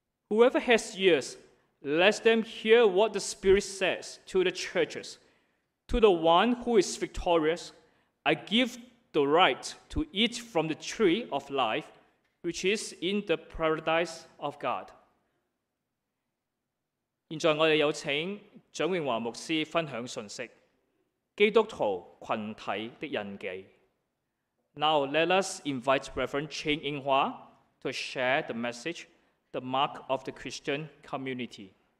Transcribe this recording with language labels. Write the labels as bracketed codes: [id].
[en] Whoever has ears, let them hear what the Spirit says to the churches. To the one who is victorious, I give the right to eat from the tree of life, which is in the paradise of God. [zh] 现在我们有请蒋永华牧师分享信息。基督徒群体的印记。 [en] Now let us invite Reverend Chen Yinghua to share the message, the mark of the Christian community.